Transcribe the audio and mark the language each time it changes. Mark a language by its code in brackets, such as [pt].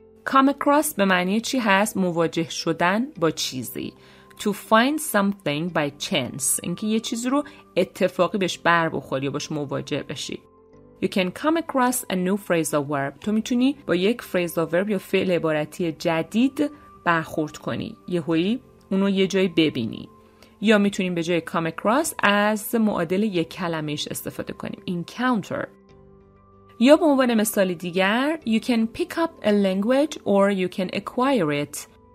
[fa] Come across به معنی چی هست؟ مواجه شدن با چیزی. [en] To find something by chance. [fa] اینکه یه چیز رو اتفاقی بهش بر بخوری یا باش مواجه بشی. [en] You can come across a new phrasal verb. [fa] تو میتونی با یک phrasal verb یا فعل عبارتی جدید برخورد کنی. یهویی اونو یه جای ببینی. یا میتونیم به جای come across از معادل یک کلمهش استفاده کنیم. [en] Encounter. [fa] یا به عنوان مثال دیگر [en] you can pick up a language or you can acquire it.